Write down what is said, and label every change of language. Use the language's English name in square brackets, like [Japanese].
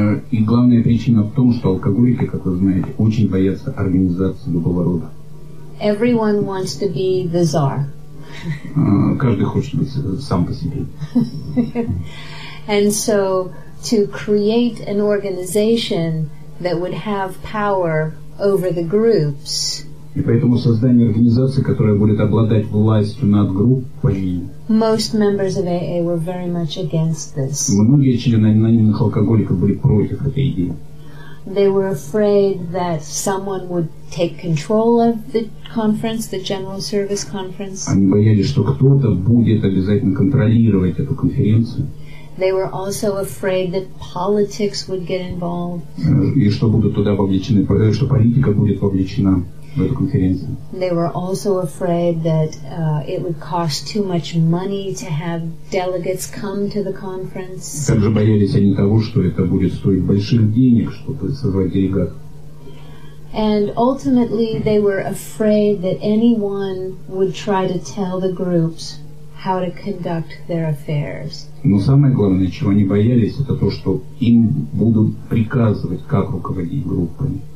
[Russian] И главная причина в том, что алкоголики, как вы знаете, очень боятся организации любого рода. [English] Everyone wants to be the czar. [Russian] Каждый хочет быть сам по себе. [English] And so to create an organization that would have power over the groups. [Russian] И поэтому создание организации, которая будет обладать властью над группой. [English] Most members of AA were very much against this. [Russian] Многие члены анонимных алкоголиков были против этой идеи. [English] They were afraid that someone would take control of the conference, the general service conference. [Russian] Они боялись, что кто-то будет обязательно контролировать эту конференцию. [English] They were also afraid that politics would get involved. [Russian] И что будут туда вовлечены, что политика будет вовлечена в эту конференцию. [English] They were also afraid that it would cost too much money to have delegates come to the conference. [Russian] Также боялись они того, что это будет стоить больших денег, чтобы созвать делегатов. [English] And ultimately, they were afraid that anyone would try to tell the groups how to conduct their affairs. [Russian] Но самое главное, чего они боялись, это то, что им будут приказывать, как руководить группами.